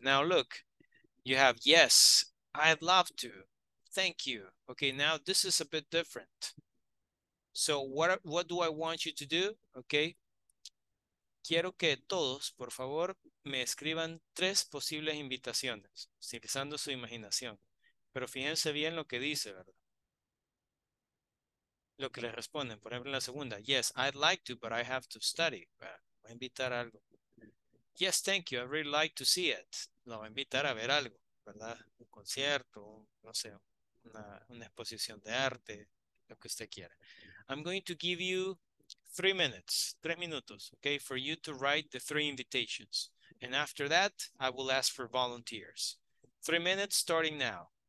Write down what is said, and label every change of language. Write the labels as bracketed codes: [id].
[en] Now, look, you have yes, I'd love to. Thank you. Okay, now this is a bit different. So, what do I want you to do? Okay. [es] Quiero que todos, por favor, me escriban tres posibles invitaciones, utilizando su imaginación. Pero fíjense bien lo que dice, ¿verdad? Lo que le responden, por ejemplo, en la segunda. [en] Yes, I'd like to, but I have to study. [es] Voy a invitar algo. [en] Yes, thank you. I'd really like to see it. [es] Lo voy a invitar a ver algo. ¿verdad? Un concierto, no sé, una exposición de arte, lo que usted quiera. [en] I'm going to give you 3 minutes, [es] 3 minutos, [en] okay, for you to write the 3 invitations. And after that, I will ask for volunteers. 3 minutes starting now.